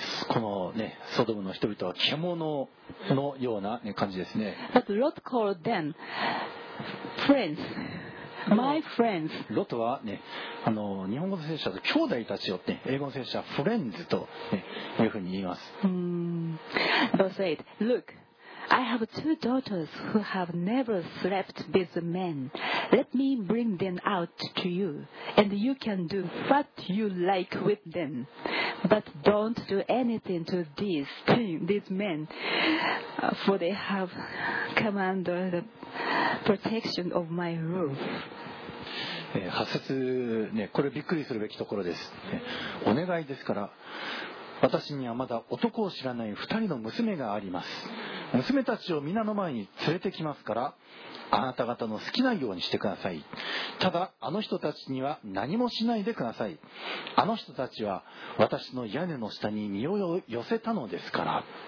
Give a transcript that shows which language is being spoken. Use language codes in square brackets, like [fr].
[ja] このね、ソドムの人々は獣のような、ね、感じですね。 [en] But Lot called them friends, my friends. [ja] ロトはね、日本語の聖書だと兄弟たちよって、英語の聖書はフレンズと、ね、いうふうに言います。 [en] Verse 8: Look, I have two daughters who have never slept with men. Let me bring them out to you, and you can do what you like with them. But don't do anything to these men, for they have come under the protection of my roof. [ja] 八節ね、これびっくりするべきところです。お願いですから、私にはまだ男を知らない二人の娘があります。娘たちを皆の前に連れてきますから、あなた方の好きなようにしてください。ただ、あの人たちには何もしないでください。あの人たちは私の屋根の下に身を寄せたのですから。